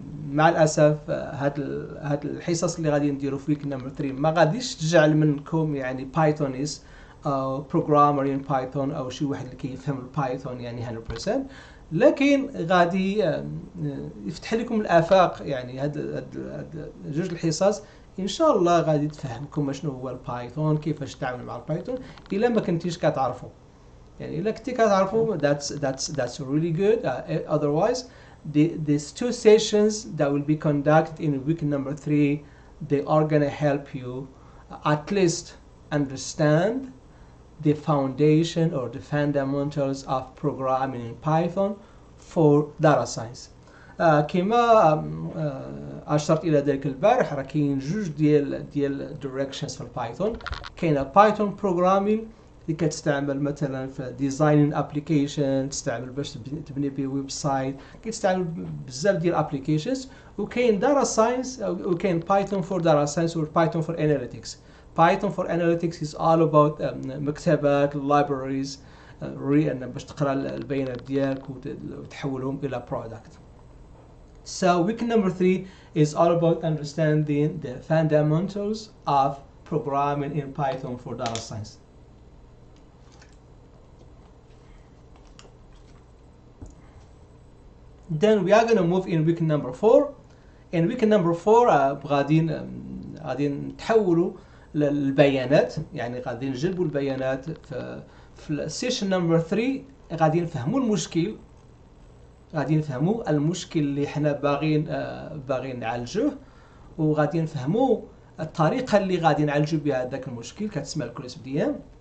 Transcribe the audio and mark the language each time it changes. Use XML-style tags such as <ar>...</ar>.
<ar>مع الأسف هاد الحصص اللي غادي نديرو في</ar> <en>week number 3</en> <ar>ما غاديش تجعل منكم يعني بايثونيس او بروغرامر ان بايثون او شي واحد اللي كيفهم البايثون يعني 100%، لكن غادي يفتح لكم الآفاق. يعني هاد جوج الحصص ان شاء الله غادي تفهمكم شنو هو البايثون، كيفاش تتعامل مع البايثون الا ما كنتيش كتعرفوا. يعني الا كنتي كتعرفوا</ar> <en>that's really good. Otherwise these two sessions that will be conducted in week number 3 they are going to help you at least understand the foundation or the fundamentals of programming in Python for data science.</en> <ar>كما أشرت إلى ذلك البارح، راه كاين جوج ديال directions في البايثون. كاين بايثون programming اللي كتستعمل مثلا في</ar> <en>designing application،</en> <ar>تستعمل باش تبني بيه ويب سايت، كتستعمل بزاف ديال applications. وكاين data science، وكاين بايثون for data science و بايثون for analytics.</ar> <en>Python for analytics is all about</en> <ar>مكتبات libraries باش تقرا البيانات ديالك وتحولهم الى product.</ar> <en>So week number 3 is all about understanding the fundamentals of programming in Python for data science. Then we are going to move in week number 4. In week number 4</en> <ar>غادي نتحولوا للبيانات، يعني غادي نجلبوا البيانات. في السيشن نمبر 3 غادي نفهموا المشكل، غادي نفهموا المشكل اللي حنا باغين نعالجوه، وغادي نفهموا الطريقه اللي غادي نعالجوا بها ذاك المشكل كتسمى الكريسب دي ام.</ar>